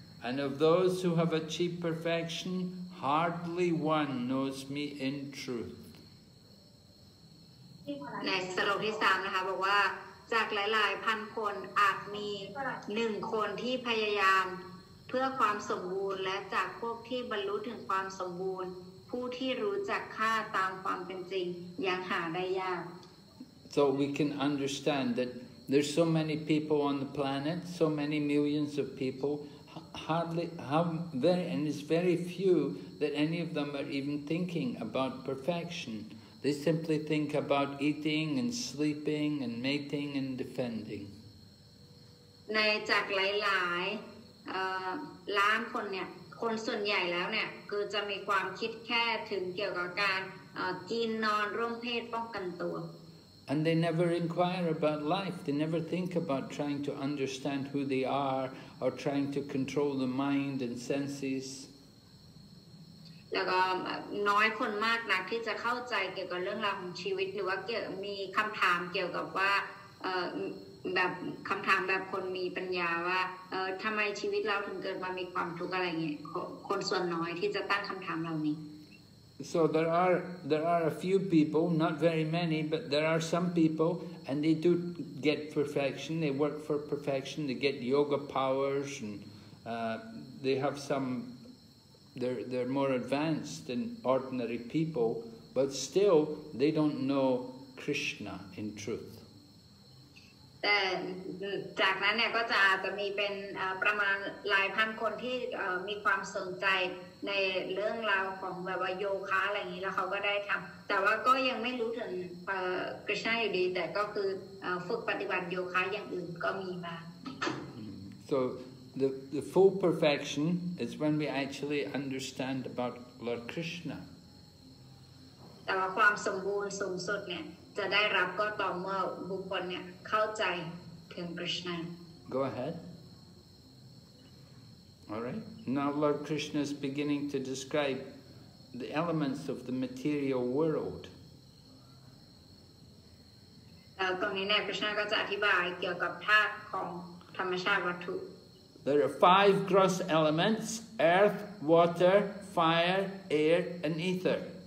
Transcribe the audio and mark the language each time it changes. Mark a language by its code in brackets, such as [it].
[en] And of those who have achieved perfection, hardly one knows me in truth. [th] ในสรุปที่3นะคะบอกว่าจากหลายๆพันคนอาจมี1คนที่พยายามเพื่อความสมบูรณ์และจากพวกที่บรรลุถึงความสมบูรณ์ผู้ที่รู้จักค่าตามความเป็นจริงยังหาได้ยาก [en] So we can understand that there's so many people on the planet, so many millions of people, and it's very few that any of them are even thinking about perfection. They simply think about eating and sleeping and mating and defending. [th] ในจากหลายๆล้านคนเนี่ยคนส่วนใหญ่แล้วเนี่ยคือจะมีความคิดแค่ถึงเกี่ยวกับการกินนอนร่วมเพศป้องกันตัว [en] And they never inquire about life. They never think about trying to understand who they are or trying to control the mind and senses. [th] แล้วก็น้อยคนมากนักที่จะเข้าใจเกี่ยวกับเรื่องราวของชีวิตหรือว่ามีคำถามเกี่ยวกับว่าแบบคำถามแบบคนมีปัญญาว่าทำไมชีวิตเราถึงเกิดมามีความทุกข์อะไรเงี้ยคนส่วนน้อยที่จะตั้งคำถามเหล่านี้ [en] So there are a few people, not very many, but there are some people, and they do get perfection. They work for perfection. They get yoga powers, and they have some. They're more advanced than ordinary people, but still they don't know Krishna in truth. [th] แต่จากนั้นเนี่ยก็จะมีเป็นประมาณหลายพันคนที่มีความสนใจในเรื่องราวของแบบว่าโยคะอะไรอย่างนี้แล้วเขาก็ได้ทำแต่ว่าก็ยังไม่รู้ถึงกฤษณาอยู่ดีแต่ก็คือฝึกปฏิบัติโยคะอย่างอื่นก็มีมา [en] So the full perfection is when we actually understand about Lord Krishna [th] แต่ว่าความสมบูรณ์สูงสุดเนี่ยจะได้รับก็ต่อเมื่อบุคคลเนี่ยเข้าใจถึงกฤษณา [en] Go aheadAll right. Now Lord Krishna is beginning to describe the elements of the material world. There are five gross elements, earth, water, fire, air, and ether.